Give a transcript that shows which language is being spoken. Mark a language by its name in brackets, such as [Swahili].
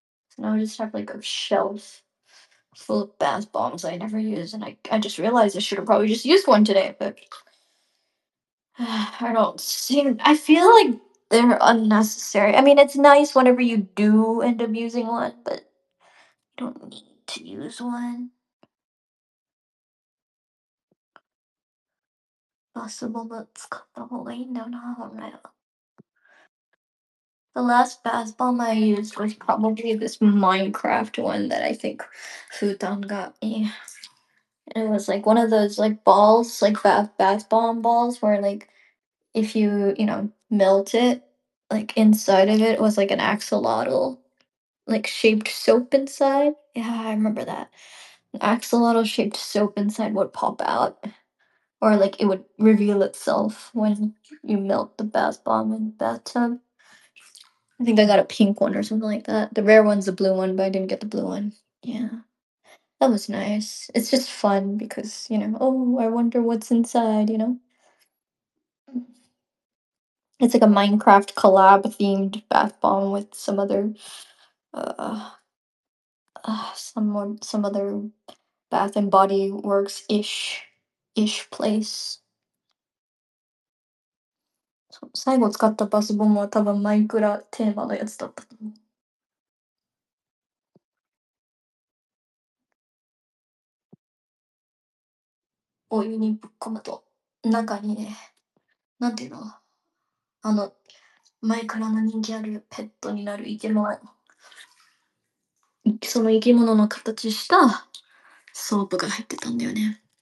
[English] So now I just have like a shelf full of bath bombs I never use, and I just realized I should have probably just used one today, but I don't seem. I feel like they're unnecessary. I mean, it's nice whenever you do end up using one, but you don't need to use one. [Japanese] バスボム使った方がいいんだよな、本来は。 [English] The last bath bomb I used was probably this Minecraft one that I think Futon got me. It was like one of those like balls, like bath bomb balls, where like if you know, melt it, like inside of it was like an axolotl, like shaped soap inside. Yeah, I remember that. An axolotl shaped soap inside would pop out. Or like it would reveal itself when you melt the bath bomb in the bathtub. I think I got a pink one or something like that. The rare one's a blue one, but I didn't get the blue one. Yeah. That was nice. It's just fun because, you know, oh, I wonder what's inside, you know? It's like a Minecraft collab-themed bath bomb with some other some other Bath and Body Works-ish. Ish place. [Japanese] 最後使ったバスボムは多分マイクラテーマのやつだったと思う。お湯にぶっ込むと中にね、なんていうの、マイクラの人気あるペットになる生き物、その生き物の形したソープが入ってたんだよね。